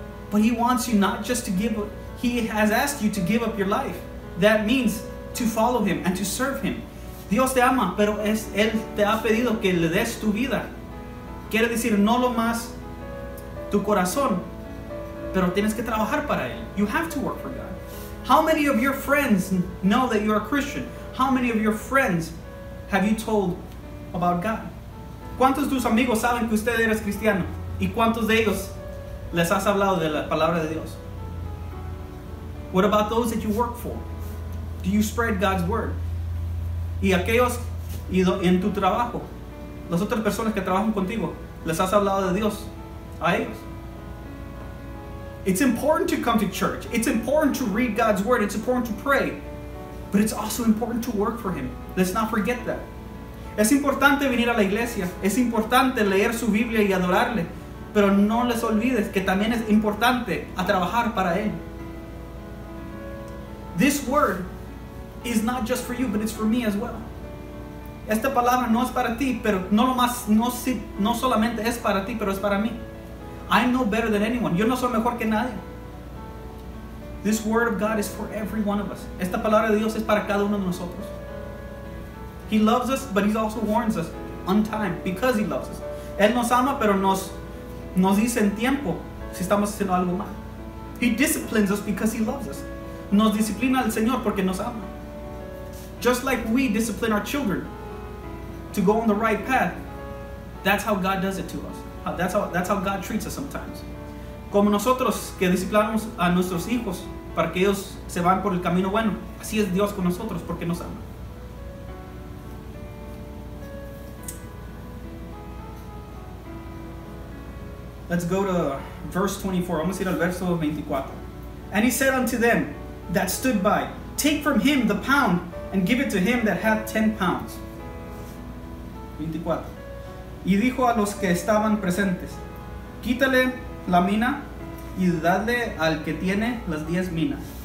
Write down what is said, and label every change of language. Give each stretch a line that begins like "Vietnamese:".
English: But he wants you not just to give up. He has asked you to give up your life. That means to follow him and to serve him.
Spanish: Dios te ama, pero él te ha pedido que le des tu vida. Quiere decir, no lo más tu corazón, pero tienes que trabajar para él.
English: You have to work for God. How many of your friends know that you are a Christian? How many of your friends have you told about God?
Spanish: ¿Cuántos de tus amigos saben que usted eres cristiano? ¿Y cuántos de ellos les has hablado de la palabra de Dios?
English: What about those that you work for? Do you spread God's word?
Spanish: ¿Y aquellos en tu trabajo, las otras personas que trabajan contigo, les has hablado de Dios a ellos?
English: It's important to come to church. It's important to read God's word. It's important to pray. But it's also important to work for him. Let's not forget that.
Spanish: Es importante venir a la iglesia. Es importante leer su Biblia y adorarle. Pero no les olvides que también es importante a trabajar para él.
English: This word is not just for you, but it's for me as well.
Spanish: Esta palabra no es para ti, pero no lo más, no solamente es para ti, pero es para mí.
English: I am no better than anyone.
Spanish: Yo no soy mejor que nadie.
English: This word of God is for every one of us.
Spanish: Esta palabra de Dios es para cada uno de nosotros.
English: He loves us, but he also warns us on time because he loves us.
Spanish: Él nos ama, pero nos dice en tiempo si estamos haciendo algo mal.
English: He disciplines us because he loves us.
Spanish: Nos disciplina el Señor porque nos ama.
English: Just like we discipline our children to go on the right path, that's how God does it to us. That's how God treats us sometimes.
Spanish: Como nosotros que disciplinamos a nuestros hijos para que ellos se van por el camino bueno, así es Dios con nosotros porque nos ama.
English: Let's go to verse 24.
Spanish: Vamos a ir al verso 24.
English: And he said unto them that stood by, take from him the pound and give it to him that hath 10 pounds. 24.
Spanish: Y dijo a los que estaban presentes, quítale la mina y dadle al que tiene las 10 minas.